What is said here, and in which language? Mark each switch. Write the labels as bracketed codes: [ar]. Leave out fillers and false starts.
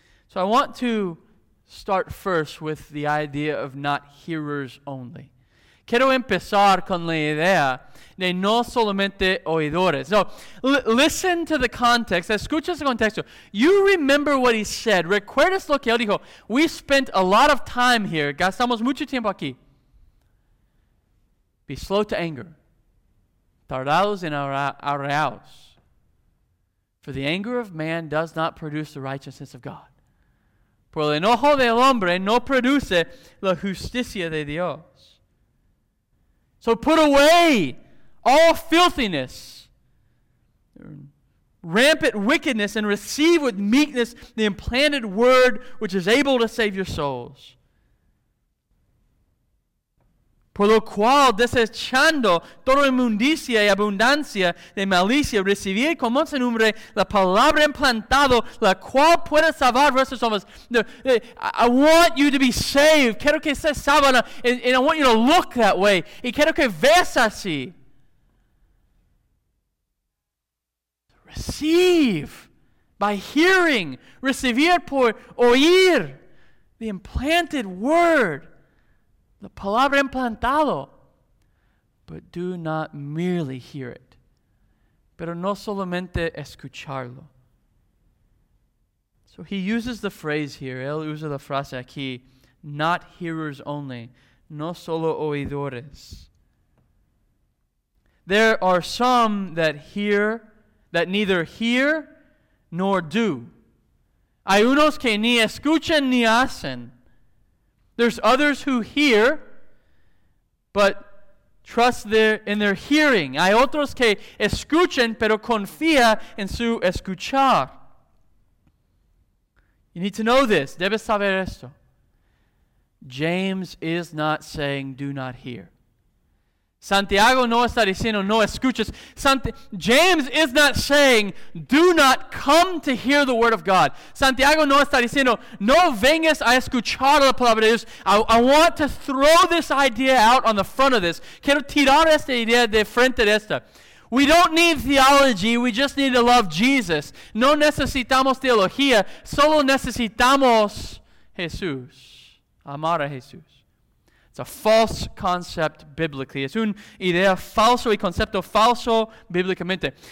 [en] So I want to start first with the idea of not hearers only. [es] Quiero empezar con la idea de no solamente oidores. [en] So, listen to the context. [es] Escucha ese contexto. [en] You remember what he said. [es] Recuerdas lo que él dijo. [en] We spent a lot of time here. [es] Gastamos mucho tiempo aquí. [en] Be slow to anger. [es] Tardados en arreaos. [en] For the anger of man does not produce the righteousness of God. [es] Por el enojo del hombre no produce la justicia de Dios. [en] So put away all filthiness, rampant wickedness, and receive with meekness the implanted word which is able to save your souls. [es] Por lo cual, desechando toda inmundicia y abundancia de malicia, recibí como mansedumbre la palabra implantado, la cual puede salvar vuestras almas. [en] I want you to be saved. [es] Quiero que seas salvo. [en] And I want you to look that way. [es] Y quiero que veas así. [en] Receive by hearing. [es] Recibir por oír [en] the implanted word. [es] La palabra implantado. [en] But do not merely hear it. [es] Pero no solamente escucharlo. [en] So he uses the phrase here. [es] Él usa la frase aquí. [en] Not hearers only. [es] No solo oidores. [en] There are some that hear, that neither hear nor do. [es] Hay unos que ni escuchan ni hacen. [en] There's others who hear, but trust in their hearing. [es] Hay otros que escuchan, pero confía en su escuchar. [en] You need to know this. [es] Debes saber esto. [en] James is not saying do not hear. [es] Santiago no está diciendo no escuches. [en] James is not saying do not come to hear the word of God. [es] Santiago no está diciendo no vengas a escuchar la palabra de Dios. [en] I want to throw this idea out on the front of this. [es] Quiero tirar esta idea de frente de esta. [en] We don't need theology, we just need to love Jesus. [es] No necesitamos teología, solo necesitamos Jesús. Amar a Jesús. [en] It's a false concept biblically. [es] Es un idea falso y concepto falso bíblicamente.